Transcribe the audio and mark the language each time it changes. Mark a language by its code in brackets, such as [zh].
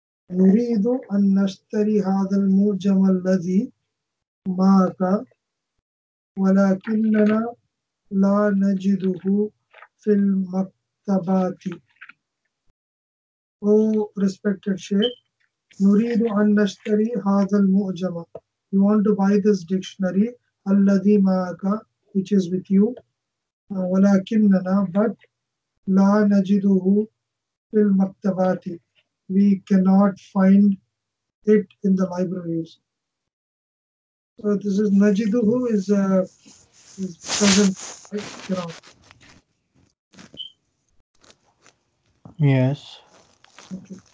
[ar] نريد أن نشتري هذا الموجم الذي مات ولكننا لا نجده في المكتبات. [en] Oh, respected Sheikh, [ar] نريد أن نشتري هذا الموجم. [en] We want to buy this dictionary [ar] الذي مات, [en] which is with you. [ar] ولكننا, but لا نجده في المكتبات. [en] We cannot find it in the libraries. So this is Najiduhu is present, right? You know. Yes. Okay.